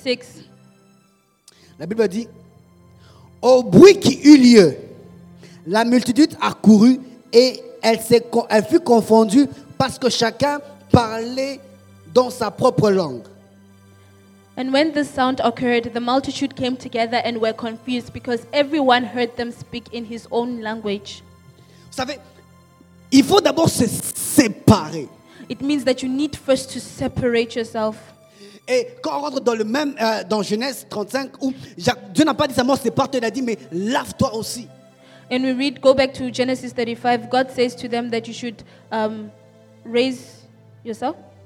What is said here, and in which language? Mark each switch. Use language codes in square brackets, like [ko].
[fr] 6. La Bible dit, au bruit qui eut lieu, la multitude accourut et elle fut confondue parce que chacun parlait dans sa propre langue. [en] And when the sound occurred, the multitude came together and were confused because everyone heard them speak in his own language. [fr] Vous savez, il faut d'abord se séparer. [en] It means that you need first to separate yourself. [fr] Et quand on rentre dans le même dans Genèse 35 où Dieu n'a pas dit seulement sépare-toi, il a dit mais lave-toi aussi. [en] And we read, go back to Genesis 35. God says to them that you should raise yourself.